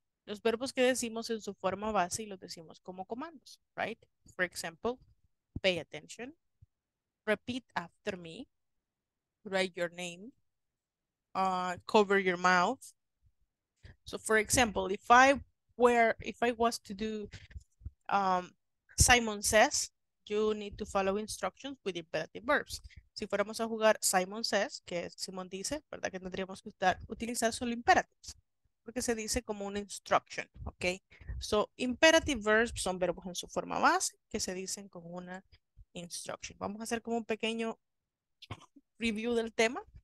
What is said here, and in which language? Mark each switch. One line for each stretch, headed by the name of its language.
Spanish: Los verbos que decimos en su forma base y los decimos como comandos, right?
English: For example, pay attention, repeat after me, write your name, cover your mouth. So for example, if I was to do Simon Says, you need to follow instructions with imperative verbs.
Spanish: Si fuéramos a jugar Simon Says, que es Simón dice, ¿verdad? Que tendríamos que utilizar solo imperatives, porque se dice como una instruction, ¿ok?
English: So, imperative verbs
Spanish: son verbos en su forma base que se dicen con una instruction. Vamos a hacer como un pequeño review del tema.